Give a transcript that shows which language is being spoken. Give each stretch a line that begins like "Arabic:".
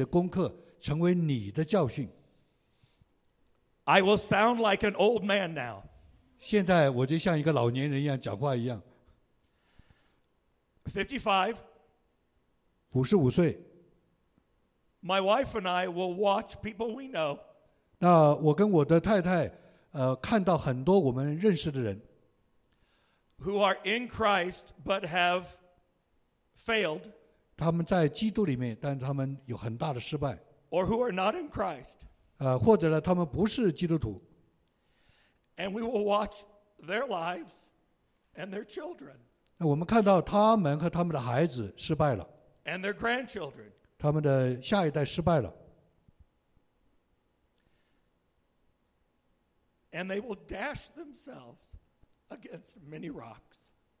Chinese: 所以也许你们是基督徒，会比一般的非基督徒更有智慧。所以因为你们是在基督里面，你们有这样的智慧，看见别人在痛苦的经历当中所经历的那些的功课，成为你的教训。
English: I will sound like an old man now.
Chinese: 现在我就像一个老年人一样讲话一样。
English: 55.
Chinese: 55岁。
English: My wife and I will watch people we know.
Chinese: 那我跟我的太太，看到很多我们认识的人
English: who are in Christ but have failed.
Chinese: 他们在基督里面，但他们有很大的失败。
English: Or who are not in Christ.
Chinese: 或者呢，他们不是基督徒。
English: And we will watch their lives and their children.
Chinese: 那我们看到他们和他们的孩子失败了。
English: And their grandchildren.
Chinese: 他们的下一代失败了。
English: And they will dash themselves against many rocks.